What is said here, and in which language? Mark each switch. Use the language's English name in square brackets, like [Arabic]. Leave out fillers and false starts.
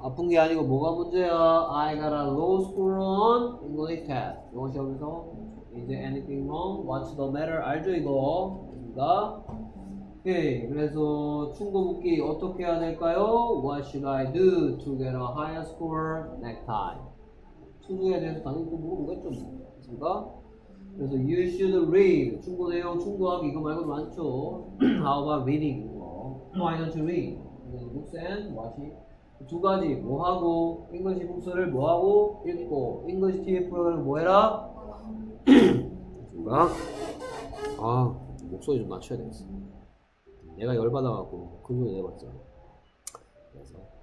[Korean] 아픈 게 아니고 뭐가 문제야? [English] I got a low score on English test. [Korean] 이거 시험에서 [English] Is there anything wrong? What's the matter? [Korean] 알죠 이거? 그러니까. 오케이. 그래서 충고묻기 어떻게 해야 될까요? [English] What should I do to get a higher score next time? [Korean] 충고에 대해서 당연히 또 물어보겠죠. 그러니까. 그래서 [English] You should read. [Korean] 충고 내용 충고하기 이거 말고도 많죠. [English] How about reading? Why don't you read? Books and watching [Korean] 두 가지 뭐 하고 English 북서를 뭐 하고 읽고 English TV 프로그램 뭐 해라 누가 아 목소리 좀 낮춰야 되겠어 내가 열 받아갖고 그분 내봤자 그래서